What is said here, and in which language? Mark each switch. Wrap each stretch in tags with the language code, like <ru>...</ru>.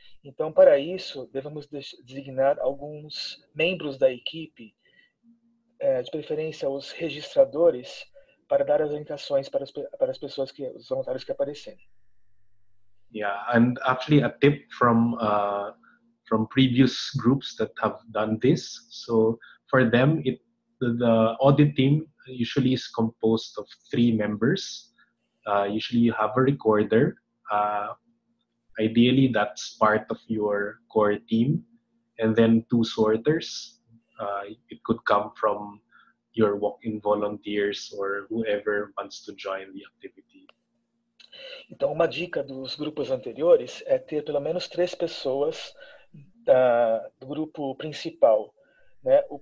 <pt>Então, para isso, devemos designar alguns membros da equipe, de preferência os registradores, para dar as orientações para as pessoas, os voluntários que aparecerem.</pt> <en>Yeah, and actually a tip from previous groups that have done this. So, for them, the audit team usually is composed of 3 members. Usually you have a recorder. Ideally, that's part of your core team. And then 2 sorters. It could come from your walk-in volunteers or whoever wants to join the activity.</en> <pt>Então, uma dica dos grupos anteriores é ter pelo menos 3 pessoas do grupo principal, né?</pt>